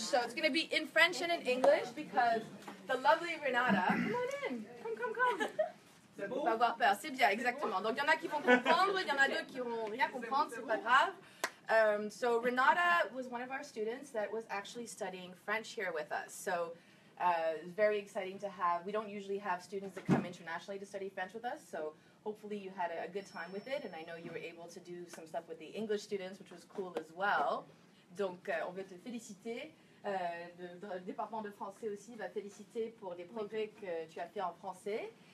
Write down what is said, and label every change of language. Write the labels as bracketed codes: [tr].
[en] So it's going to be in French and in English because the lovely Renata... Come on in. Come. [fr] C'est bon? Pas avoir peur. C'est bien, exactement. Donc, il y en a qui vont comprendre, il y en a d'autres qui vont rien comprendre, c'est pas grave. [en] So Renata was one of our students that was actually studying French here with us. So it's very exciting to have. We don't usually have students that come internationally to study French with us, so hopefully you had a good time with it, and I know you were able to do some stuff with the English students, which was cool as well. [fr] Donc, on veut te féliciter. Le département de français aussi va féliciter pour les progrès que tu as fait en français.